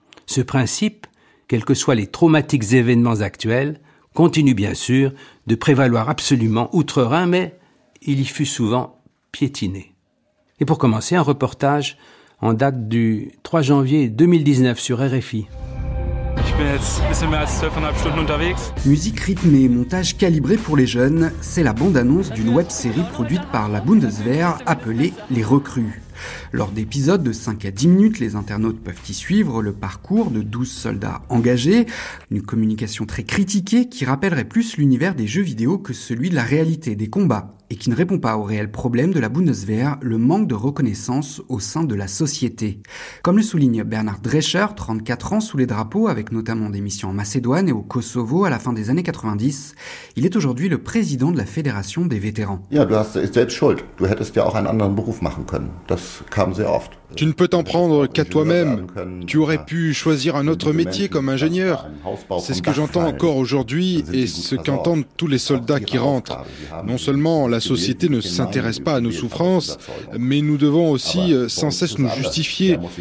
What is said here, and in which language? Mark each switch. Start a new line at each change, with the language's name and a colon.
French: Ce principe, quels que soient les traumatiques événements actuels, continue bien sûr de prévaloir absolument outre-Rhin, mais il y fut souvent piétiné. Et pour commencer, un reportage en date du 3 janvier 2019 sur RFI. Je suis
German: jetzt ein bisschen mehr als 12,5 Stunden unterwegs.
French: Musique rythmée et montage calibré pour les jeunes, c'est la bande-annonce d'une web-série produite par la Bundeswehr appelée Les Recrues. Lors d'épisodes de 5 à 10 minutes, les internautes peuvent y suivre le parcours de 12 soldats engagés, une communication très critiquée qui rappellerait plus l'univers des jeux vidéo que celui de la réalité des combats, et qui ne répond pas au réel problème de la Bundeswehr, le manque de reconnaissance au sein de la société. Comme le souligne Bernard Drescher, 34 ans sous les drapeaux, avec notamment des missions en Macédoine et au Kosovo à la fin des années 90, il est aujourd'hui le président de la Fédération des Vétérans.
German: Ja, du hast selbst schuld. Du hättest ja auch einen anderen Beruf machen können. Das kam sehr oft.
French: Tu ne peux t'en prendre qu'à toi-même. Tu aurais pu choisir un autre métier comme ingénieur. C'est ce que j'entends encore aujourd'hui et ce qu'entendent tous les soldats qui rentrent. Non seulement la société ne s'intéresse pas à nos souffrances, mais nous devons aussi sans cesse nous justifier.